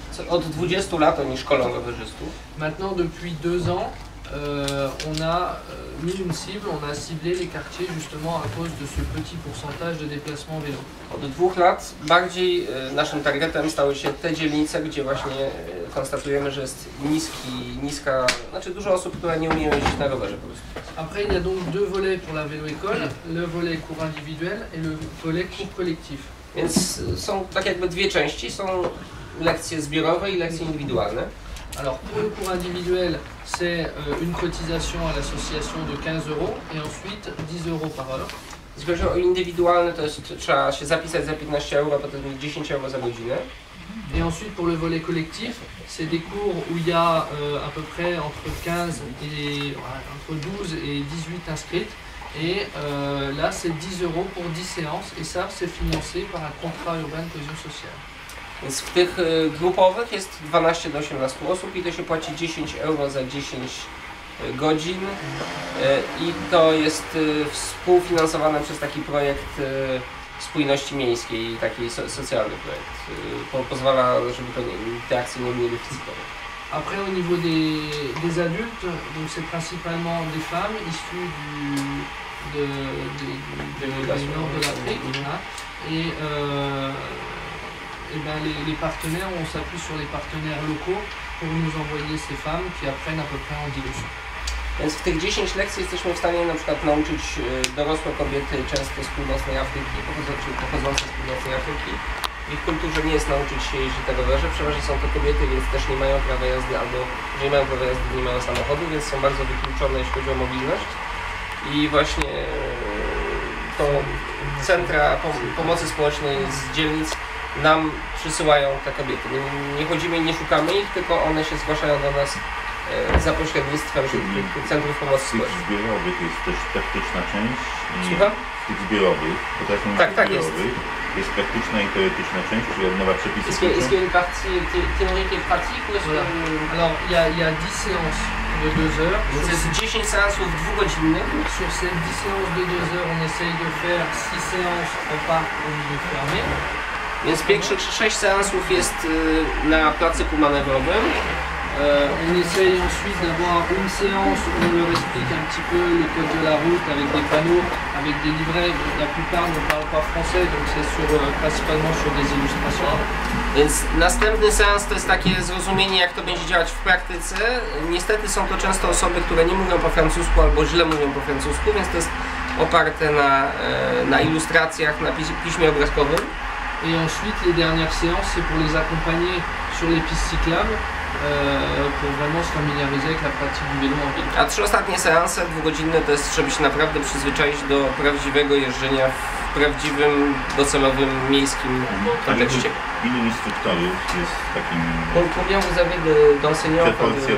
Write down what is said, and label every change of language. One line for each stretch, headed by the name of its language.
Polish: Od 20 lat oni szkolą rowerzystów.
French: Maintenant, depuis 2 ans, on a mis une cible, on a ciblé les quartiers justement à cause de ce petit pourcentage de déplacements vélo.
Polish: Od 2 lat bardziej naszym targetem stały się te dzielnice, gdzie właśnie konstatujemy, że jest niska, znaczy dużo osób, które nie umieją jeździć na rowerze po prostu.
French: Après, il y a donc deux volets pour la vélo école, le volet cours individuel et le volet cours collectif.
Polish: Więc są tak jakby dwie części, są lekcje zbiorowe i lekcje indywidualne.
French: Alors pour le cours individuel, c'est une cotisation à l'association de 15 euros et ensuite 10 euros par heure.
Polish: Jeśli chodzi o indywidualne, to jest, trzeba się zapisać za 15 euro, a potem 10 euro za godzinę.
French: Et ensuite pour le volet collectif, c'est des cours où il y a à peu près entre 15 et entre 12 et 18 inscrits. Et là, c'est 10 euros pour 10 séances et ça, c'est financé par un contrat urbain de cohésion sociale.
Polish: Więc w tych grupowych jest 12 do 18 osób i to się płaci 10 euro za 10 godzin i to jest współfinansowane przez taki projekt spójności miejskiej, taki socjalny projekt. Pozwala, żeby to te akcje nie były deficytowe.
French: Après au niveau des adultes, donc c'est principalement des femmes issues du nord de l'Afrique. Voilà. Et ben les partenaires, on s'appuie sur les partenaires locaux pour nous envoyer ces femmes qui apprennent à peu près en 10 leçons.
Polish: Więc w tych 10 lekcji jesteśmy w stanie na przykład nauczyć dorosłe kobiety często z północnej Afryki, pochodzące z północnej Afryki. W ich kulturze nie jest nauczyć się jeździć tego rowerze. Przeważnie są to kobiety, więc też nie mają prawa jazdy, albo jeżeli mają prawa jazdy, nie mają samochodu, więc są bardzo wykluczone, jeśli chodzi o mobilność. I właśnie to centra pomocy społecznej z dzielnic nam przysyłają te kobiety. Nie chodzimy i nie szukamy ich, tylko one się zgłaszają do nas za pośrednictwem centrów pomocy społecznej. Tych zbiorowych jest też praktyczna część. Słucham? Tych zbiorowych, bo też nie ma tak, zbiorowych. Tak, jest. Jest praktyczna i teoretyczna część, czyli odnowa przepisów.
French: Est-ce qu'il y a une partie théorique et pratique, ou est-ce que... Alors, il y a 10 séances de 2 heures. Donc, c'est 10 séances de 2
Polish: godzinnych.
French: Sur ces 10 séances de 2 heures, on essaye de faire 6 séances au parc au milieu fermé.
Polish: Więc pierwszych 6 séances jest na placu
French: pour manœuvrer. On essaye ensuite d'avoir une séance où on leur explique un petit peu le code de la route avec des panneaux, avec des livrets. La plupart ne parlent pas français, donc c'est principalement sur des illustrations.
Polish: Więc następny seans to jest takie zrozumienie, jak to będzie działać w praktyce. Niestety są to często osoby, które nie mówią po francusku albo źle mówią po francusku, więc to jest oparte na ilustracjach, na piśmie obrazkowym.
French: Et ensuite, les dernières séances, c'est pour les accompagner sur les pistes cyclables. Pour vraiment se familiariser avec la pratique du vélo en ville.
Polish: A trzy ostatnie seanse dwugodzinne to jest, żeby się naprawdę przyzwyczaić do prawdziwego jeżdżenia w prawdziwym, docelowym, miejskim kontekście. Ilu instruktorów jest takim...
French: Combien vous avez d'enseignants par